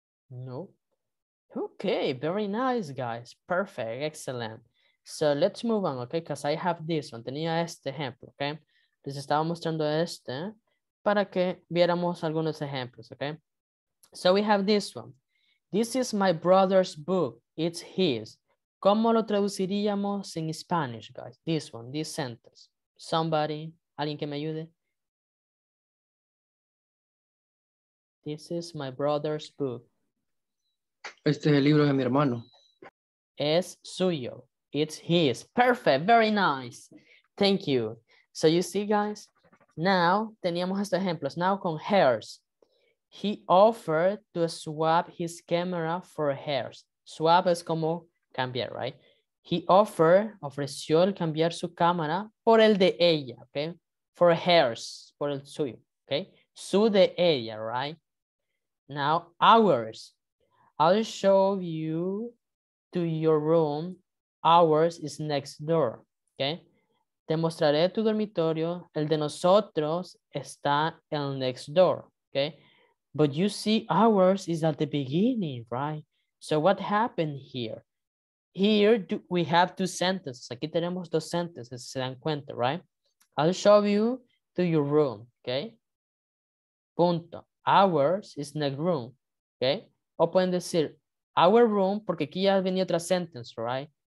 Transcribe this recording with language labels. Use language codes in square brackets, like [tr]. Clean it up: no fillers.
[en] No. Okay, very nice, guys. Perfect, excellent. So let's move on, okay? Because I have this one. [es] Tenía este ejemplo, okay? Les estaba mostrando este para que viéramos algunos ejemplos, okay? [en] So we have this one. This is my brother's book. It's his. [es] ¿Cómo lo traduciríamos en Spanish, guys? [en] This one, this sentence. [es] Somebody, alguien que me ayude. [en] This is my brother's book. [es] Este es el libro de mi hermano. Es suyo. [en] It's his. Perfect, very nice. Thank you. So you see, guys, now [es] teníamos estos ejemplos. [en] Now con hers. He offered to swap his camera for hers. [es] Swap es como cambiar, right? [en] He offered, [es] ofreció el cambiar su cámara por el de ella, okay? [en] For hers, [es] por el suyo, okay? Su de ella, right? [en] Now, ours. I'll show you to your room. Ours is next door, okay? [es] Te mostraré tu dormitorio. El de nosotros está el [en] next door, [es] okay? [en] But you see, ours is at the beginning, right? So what happened here? Here we have two sentences. [es] Aquí tenemos dos [en] sentences, [es] se dan cuenta, [en] right? I'll show you to your room, okay? [es] Punto. [en] Ours is next room, okay? [es] O pueden decir [en] our room, [es] porque aquí ya venía otra [en] sentence, right?